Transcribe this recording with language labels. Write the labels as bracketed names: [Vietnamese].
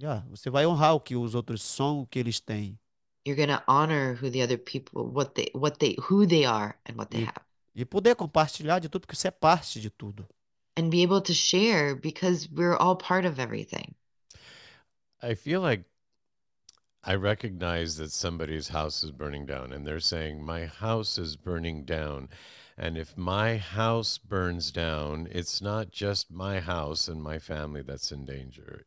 [Portuguese] Você vai honrar o que os outros são, o que eles têm. [English] You're going to honor who the other people, who they are and what they [Portuguese] E [English] have. [Portuguese] poder compartilhar de tudo, porque você é parte de tudo. [English] And be able to share because we're all part of everything. I feel like I recognize that somebody's house is burning down, and they're saying, "My house is burning down." And if my house burns down, it's not just my house and my family that's in danger.